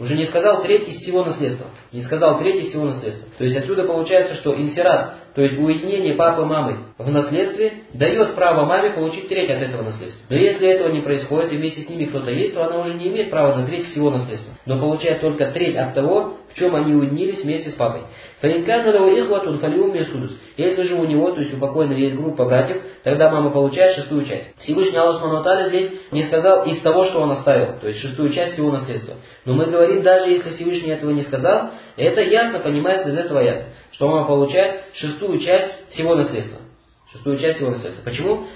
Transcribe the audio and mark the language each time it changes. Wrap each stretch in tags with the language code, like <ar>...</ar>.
<ru>Уже не сказал треть из всего наследства. Не сказал треть из всего наследства. То есть отсюда получается, что инфирад, то есть уединение папы и мамы в наследстве, дает право маме получить треть от этого наследства. Но если этого не происходит, и вместе с ними кто-то есть, то она уже не имеет права на треть всего наследства. Но получает только треть от того, в чем они уединились вместе с папой.</ru> <ar>فإن كان له إخوة فلأمه الثلث.</ar> <ru>Если же у него, то есть у покойного есть группа братьев, тогда мама получает шестую часть. Всевышний Аллах Субхану ва Тааля здесь не сказал из того, что он оставил, то есть шестую часть его наследства. Но мы говорим, даже если Всевышний этого не сказал, это ясно понимается из этого аята, что мама получает шестую часть всего наследства. Шестую часть его наследства. Почему?</ru>